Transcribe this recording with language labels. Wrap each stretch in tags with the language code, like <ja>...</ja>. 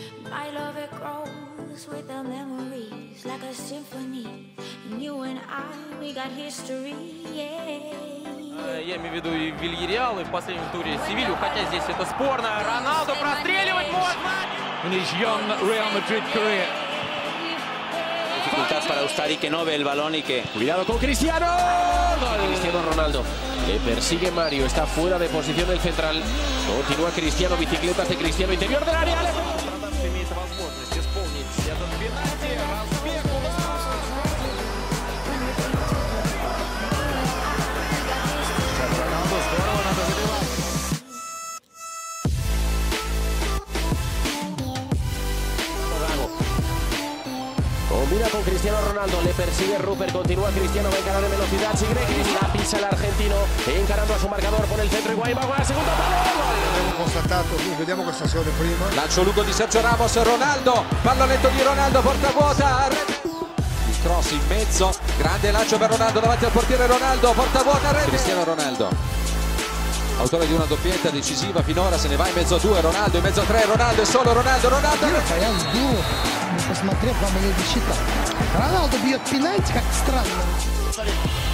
<en>My love grows with the memories like a symphony. You and I, we got history, yeah.</en> <ru>Я имею в виду и Вильяреал, и в последнем туре Севилью, хотя здесь это спорно. Роналду простреливать можно!</ru> <en>His young Real Madrid career.</en> <es>Dificultad para Ustari, que no ve el balón y que... ¡Cuidado con Cristiano! Cristiano Ronaldo. Le persigue Mario, está fuera de posición el central. Continúa Cristiano, bicicletas de Cristiano, interior del área. Combina con Cristiano Ronaldo, le persigue Rupert, continúa Cristiano, va a encarar en velocidad, sigue Cristiano, la pisa el argentino, encarando a su marcador por el centro, Higuaín va a jugar a segundo palo. Hemos constatado,</es> <it>vediamo questa azione prima. Lancio lungo di Sergio Ramos, Ronaldo, pallonetto di Ronaldo, porta vuota. Il cross in mezzo, grande lancio per Ronaldo, davanti al portiere Ronaldo, porta vuota. Cristiano Ronaldo, autore di una doppietta decisiva finora, se ne va in mezzo a due, Ronaldo, in mezzo a tre, Ronaldo, è solo Ronaldo, Ronaldo.</it> <ru>Посмотрев на мою защиту. Роналду бьет пенальти, как странно.</ru>